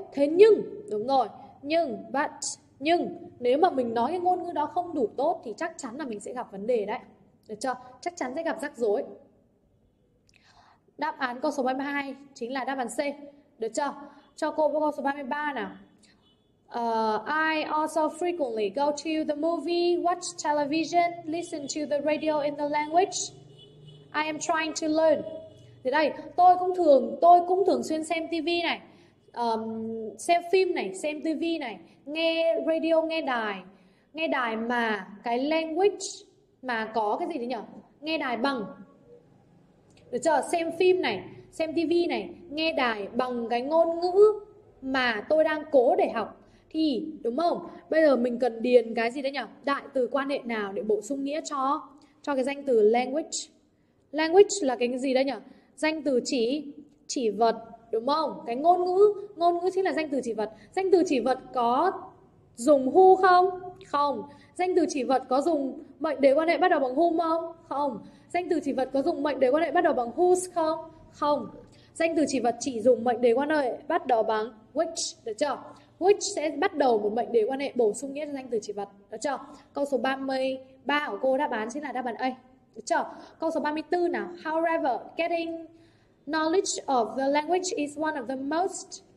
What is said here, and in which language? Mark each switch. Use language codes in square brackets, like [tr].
[vi] Thế nhưng, đúng rồi, nhưng nếu mà mình nói cái ngôn ngữ đó không đủ tốt thì chắc chắn là mình sẽ gặp vấn đề đấy, được chưa? Chắc chắn sẽ gặp rắc rối. Đáp án câu số 32 chính là đáp án C. Được chưa? Cho cô câu số 33 nào. [en] I also frequently go to the movie, watch television, listen to the radio in the language I am trying to learn. [vi] Thì đây, tôi cũng thường xuyên xem TV này, xem phim này, xem TV này, nghe radio, nghe đài mà cái language mà có cái gì đấy nhỉ? Nghe đài bằng. Được chưa? Xem phim này, xem TV này, nghe đài bằng cái ngôn ngữ mà tôi đang cố để học. Thì đúng không? Bây giờ mình cần điền cái gì đấy nhỉ? Đại từ quan hệ nào để bổ sung nghĩa cho cái danh từ language. Language là cái gì đấy nhỉ? Danh từ chỉ vật, đúng không? Cái ngôn ngữ chính là danh từ chỉ vật. Danh từ chỉ vật có dùng who không? Không. Danh từ chỉ vật có dùng mệnh đề quan hệ bắt đầu bằng whom không? Không. Danh từ chỉ vật có dùng mệnh đề quan hệ bắt đầu bằng whose không? Không. Danh từ chỉ vật chỉ dùng mệnh đề quan hệ bắt đầu bằng which, được chưa? Which sẽ bắt đầu một mệnh đề quan hệ bổ sung nghĩa cho danh từ chỉ vật. Được chưa? Câu số 33 của cô đáp án chính là đáp án A. Được chưa? Câu số 34 nào. [en] However, getting knowledge of the language is one of the most.